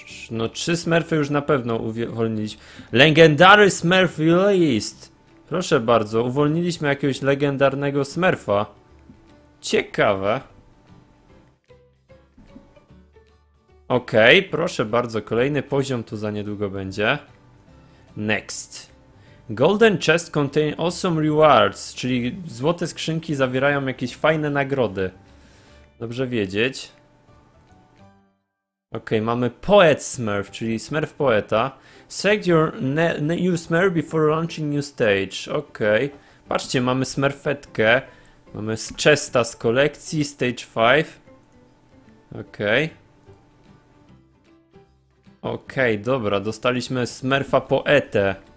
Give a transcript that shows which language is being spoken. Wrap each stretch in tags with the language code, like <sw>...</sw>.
<pl>No 3 smurfy już na pewno uwolniliśmy.</pl> <en>Legendary smurf released.</en> <pl>Proszę bardzo, uwolniliśmy jakiegoś legendarnego smurfa. Ciekawe. Okej, proszę bardzo, kolejny poziom tu za niedługo będzie. Next.</pl> <en>Golden chest contain awesome rewards,</en> <pl>czyli złote skrzynki zawierają jakieś fajne nagrody. Dobrze wiedzieć. Okej, mamy Poet Smurf, czyli Smurf Poeta.</pl> <en>Select your new Smurf before launching new stage.</en> <pl>Okej, patrzcie, mamy Smurfetkę. Mamy chesta z kolekcji, stage 5. Okej. Okej, dobra, dostaliśmy smurfa poetę.</pl>